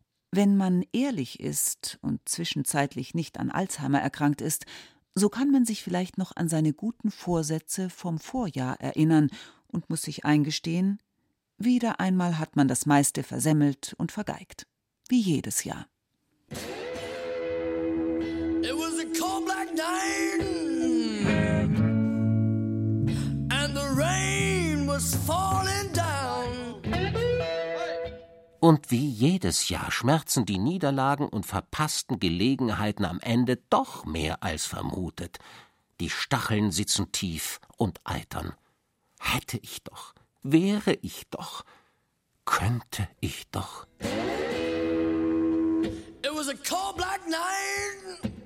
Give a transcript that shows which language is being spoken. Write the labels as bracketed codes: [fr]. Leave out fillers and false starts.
[de] Wenn man ehrlich ist und zwischenzeitlich nicht an Alzheimer erkrankt ist, so kann man sich vielleicht noch an seine guten Vorsätze vom Vorjahr erinnern und muss sich eingestehen, wieder einmal hat man das meiste versemmelt und vergeigt. Wie jedes Jahr. [en] It was a cold black night and the rain was falling down. [de] Und wie jedes Jahr schmerzen die Niederlagen und verpassten Gelegenheiten am Ende doch mehr als vermutet. Die Stacheln sitzen tief und eitern. Hätte ich doch, wäre ich doch, könnte ich doch. [en] It was a cold black night.